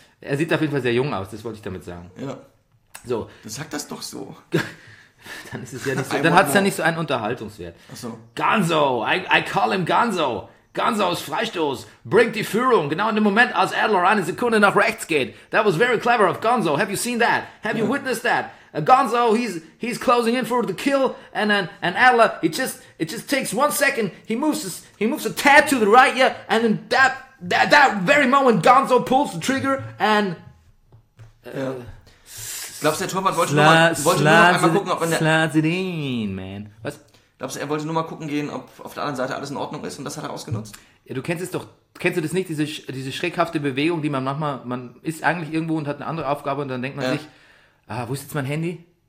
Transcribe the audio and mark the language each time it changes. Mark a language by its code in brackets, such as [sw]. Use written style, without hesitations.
[de] Er sieht auf jeden Fall sehr jung aus, das wollte ich damit sagen. Ja. So. Du sagst das doch so. Dann ist es ja nicht so. Dann hat es ja nicht so einen Unterhaltungswert. Ach so. [en] Gonzo, I call him Gonzo. [de] Gonzo's Freistoß bringt die Führung. Genau in dem Moment, als Adler eine Sekunde nach rechts geht. [en] That was very clever of Gonzo. Have you seen that? Have you witnessed that? Gonzo, he's closing in for the kill, and Adler, it just takes 1 second. He moves a tad to the right, yeah, and then that very moment, Gonzo pulls the trigger and. [de] Glaubst du, der Torwart wollte nur noch einmal gucken, ob [en] Slide it in, man. Was? [de] Glaubst du, er wollte nur mal gucken gehen, ob auf der anderen Seite alles in Ordnung ist, und das hat er ausgenutzt? Ja, du kennst es doch. Kennst du das nicht? Diese schreckhafte Bewegung, die man manchmal, man ist eigentlich irgendwo und hat eine andere Aufgabe und dann denkt man sich. Ah, wo ist jetzt mein Handy?